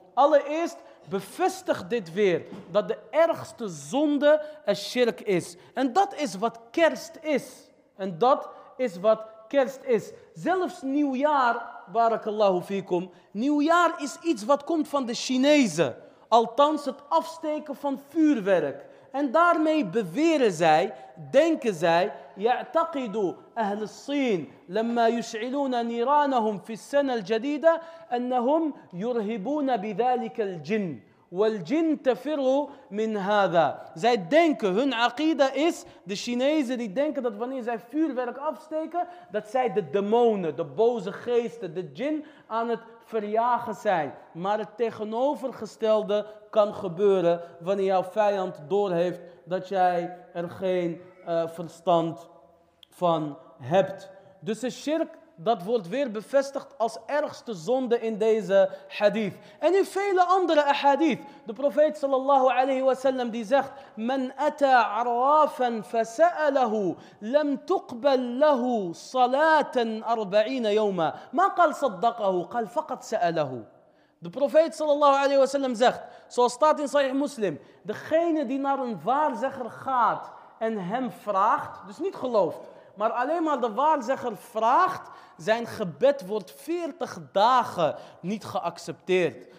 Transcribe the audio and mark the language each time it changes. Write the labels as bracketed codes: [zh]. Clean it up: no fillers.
[nl] Allereerst bevestigt dit weer dat de ergste zonde een shirk is. En dat is wat kerst is. En dat is wat kerst is. Zelfs nieuwjaar, barakallahu fikum, nieuwjaar is iets wat komt van de Chinezen. Althans het afsteken van vuurwerk. En daarmee beweren zij, denken zij, [ar] يعتقدوا أهل الصين لما يشعلون نيرانهم في السنة الجديدة أنهم يرهبون بذلك الجن والجن تفر من هذا. [nl] Zij denken, hun aqida is, de Chinezen die denken dat wanneer zij vuurwerk afsteken, dat zij de demonen, de boze geesten, de jin aan het verjagen zijn. Maar het tegenovergestelde kan gebeuren wanneer jouw vijand doorheeft dat jij er geen verstand van hebt. Dus de shirk, dat wordt weer bevestigd als ergste zonde in deze hadith. En in vele andere hadith. De profeet sallallahu alayhi wa sallam die zegt, [ar] من أتى عرافا فسأله لم تقبل له صلاة 40 يوما. ما قال صدقه, قال فقط سأله. [nl] De profeet sallallahu alayhi wa sallam zegt, zoals staat in Sahih Muslim, degene die naar een waarzegger gaat en hem vraagt, dus niet gelooft, maar alleen maar de waarzegger vraagt, zijn gebed wordt 40 dagen niet geaccepteerd.